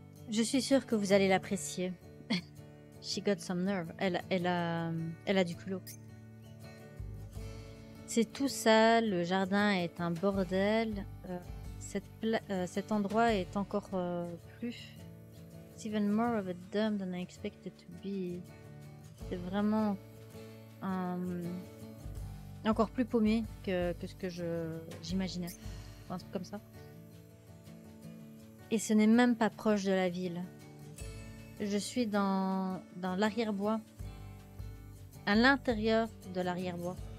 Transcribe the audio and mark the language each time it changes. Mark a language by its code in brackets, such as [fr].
[fr] Je suis sûre que vous allez l'apprécier. [en] She got some nerve. [fr] Elle a du culot. C'est tout sale, le jardin est un bordel. Cet endroit est encore plus. [en] It's even more of a dump than I expected to be. [fr] C'est vraiment encore plus paumé que ce que j'imaginais. Un truc comme ça. Et ce n'est même pas proche de la ville. Je suis dans l'arrière-bois. À l'intérieur de l'arrière-bois.